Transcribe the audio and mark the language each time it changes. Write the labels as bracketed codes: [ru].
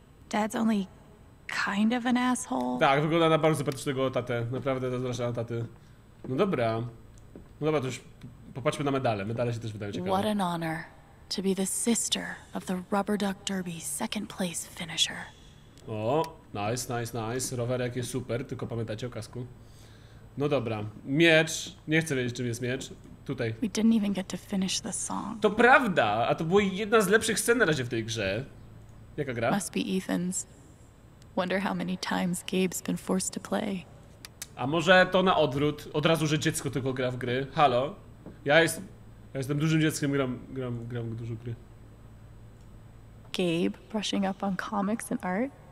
[en] Dad's only kind of an asshole. [pl] Tak, wygląda na bardzo sympatycznego tatę. Naprawdę zazdroszczę na taty. No dobra. No dobra, to już popatrzmy na medale. Medale się też wydają ciekawe. [en] What an honor. To be the sister of the Rubber Duck Derby second place finisher. O, nice. [pl] Rowerek jest super, tylko pamiętajcie o kasku. No dobra, miecz. Nie chcę wiedzieć, czym jest miecz. Tutaj. [en] We didn't even get to finish the song. [pl] To prawda, a to była jedna z lepszych scen na razie w tej grze. Jaka gra? [en] Must be Ethan's. Wonder how many times Gabe's been forced to play. [pl] A może to na odwrót? Od razu, że dziecko tylko gra w gry. Halo? Ja jestem dużym dzieckiem, gram dużo gry. [en] Gabe brushing up on comics and art.